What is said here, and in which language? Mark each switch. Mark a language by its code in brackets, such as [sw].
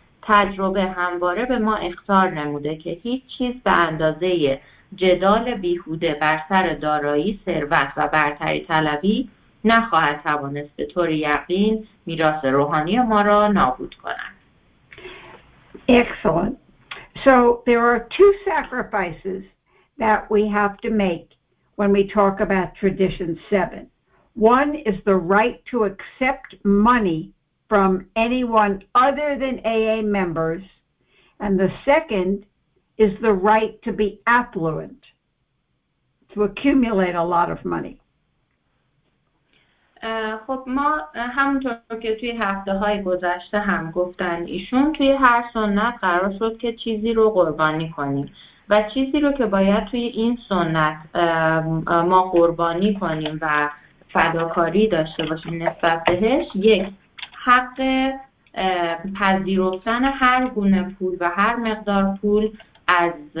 [fa] تجربه همواره به ما اخطار نموده که هیچ چیز به اندازه جدال بیهوده بر سر دارایی، ثروت و برتری طلبی نخواهد توانست به طور یقین میراث روحانی ما را نابود کند. [en] Excellent. So there are two sacrifices that we have to make when we talk about Tradition 7. One is the right to accept money from anyone other than AA members, and the second is the right to be affluent, to accumulate a lot of money. [fa] خب ما همونطور که توی هفته های گذشته هم گفتن ایشون توی هر سنت قرار شد که چیزی رو قربانی کنیم و چیزی رو که باید توی این سنت ما قربانی کنیم و فداکاری داشته باشیم نسبت بهش، یک حق پذیرفتن هر گونه پول و هر مقدار پول از